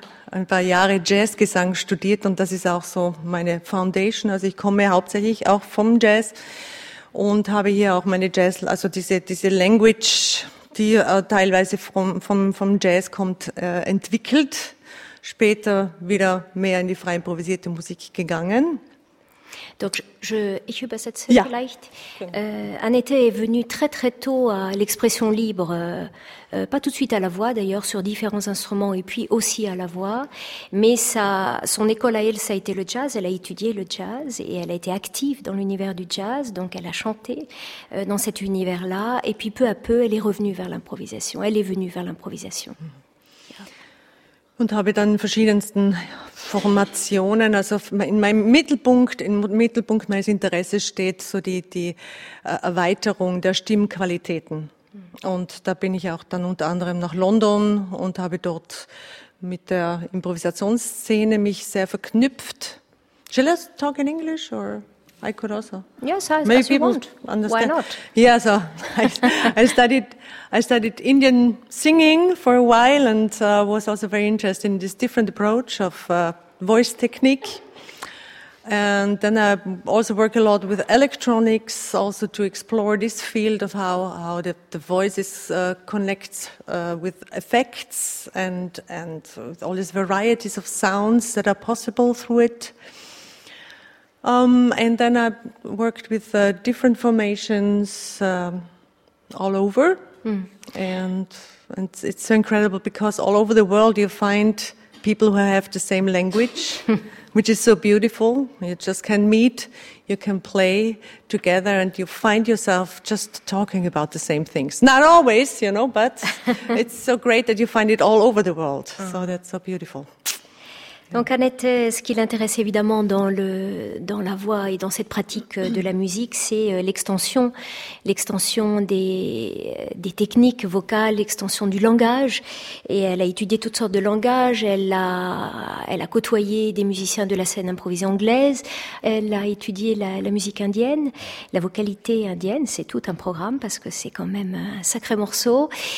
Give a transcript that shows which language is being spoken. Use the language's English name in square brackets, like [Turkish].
[German] ein paar Jahre Jazzgesang studiert und das ist auch so meine Foundation, also ich komme hauptsächlich auch vom Jazz und habe hier auch meine Jazz, also diese Language, die teilweise vom Jazz kommt, entwickelt. Später wieder mehr in die frei improvisierte Musik gegangen. Donc, ich übersetze ja. Vielleicht. [French] Annette est venue très très tôt à l'expression libre, pas tout de suite à la voix d'ailleurs, sur différents instruments et puis aussi à la voix. Mais son école à elle, ça a été le jazz. Elle a étudié le jazz et elle a été active dans l'univers du jazz. Donc elle a chanté dans cet univers-là. Et puis peu à peu, elle est revenue vers l'improvisation. Elle est venue vers l'improvisation. Mm-hmm. [German] Und habe dann in verschiedensten Formationen, also in meinem Mittelpunkt, im Mittelpunkt meines Interesses steht so die Erweiterung der Stimmqualitäten. Und da bin ich auch dann unter anderem nach London und habe dort mit der Improvisationsszene mich sehr verknüpft. [English] Shall I talk in English, or I could also? Yes, maybe as you want. Understand. Why not? Yeah, so I studied Indian singing for a while, and was also very interested in this different approach of voice technique. And then I also work a lot with electronics, also to explore this field of how the voice is connects with effects and with all these varieties of sounds that are possible through it. And then I worked with different formations all over. Mm. And it's so incredible because all over the world you find people who have the same language, which is so beautiful. You just can meet, you can play together, and you find yourself just talking about the same things. Not always, you know, but it's so great that you find it all over the world. Mm. So that's so beautiful. [French] Donc Annette, ce qui l'intéresse évidemment dans la voix et dans cette pratique de la musique, c'est l'extension des techniques vocales, l'extension du langage. Et elle a étudié toutes sortes de langages, elle a côtoyé des musiciens de la scène improvisée anglaise, elle a étudié la musique indienne, la vocalité indienne, c'est tout un programme parce que c'est quand même un sacré morceau.